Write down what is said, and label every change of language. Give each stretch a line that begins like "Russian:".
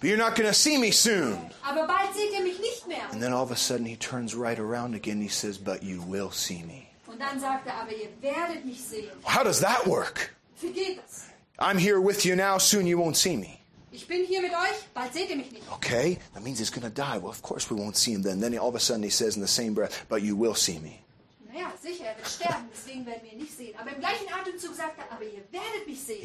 English: But you're not going to see me soon.
German: Aber bald seht ihr mich nicht mehr.
English: And then all of a sudden he turns right around again. He says, but you will see me.
German: Und dann sagt aber ihr werdet mich sehen.
English: How does that work?
German: Wie geht das?
English: I'm here with you now. Soon you won't see me.
German: Ich bin hier mit euch, bald seht ihr mich nicht.
English: Okay, that means he's going to die. Well, of course we won't see him then. Then all of a sudden he says in the same breath, but you will see me.
German: Naja, sicher, er wird sterben, deswegen werden wir ihn nicht sehen. Aber im gleichen Atemzug sagt er, aber ihr werdet mich sehen.